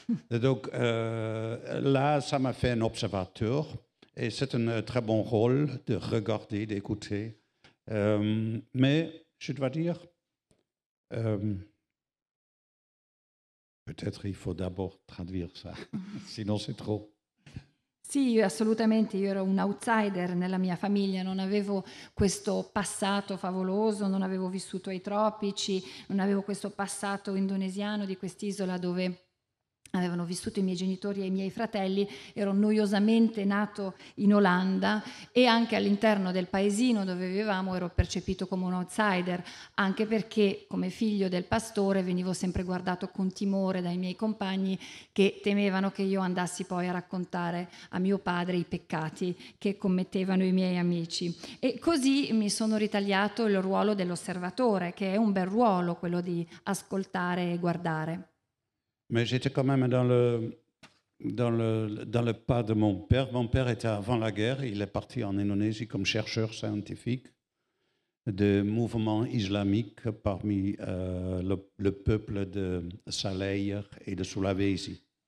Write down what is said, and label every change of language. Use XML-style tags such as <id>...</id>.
<fr>Et donc, là, ça m'a fait un observateur. Et c'est un très bon rôle de regarder, d'écouter. Mais je dois dire, peut-être il faut d'abord traduire ça, sinon c'est trop.</fr> <it>Sì, assolutamente, io ero un outsider nella mia famiglia, non avevo questo passato favoloso, non avevo vissuto ai tropici, non avevo questo passato indonesiano di quest'isola dove avevano vissuto i miei genitori e i miei fratelli, ero noiosamente nato in Olanda e anche all'interno del paesino dove vivevamo ero percepito come un outsider, anche perché come figlio del pastore venivo sempre guardato con timore dai miei compagni che temevano che io andassi poi a raccontare a mio padre i peccati che commettevano i miei amici. E così mi sono ritagliato il ruolo dell'osservatore, che è un bel ruolo quello di ascoltare e guardare.</it> <fr>Mais j'étais quand même dans le pas de mon père. Mon père était avant la guerre, il est parti en Indonésie comme chercheur scientifique de mouvements islamiques parmi le peuple de Saleh et de Sulawesi.</fr>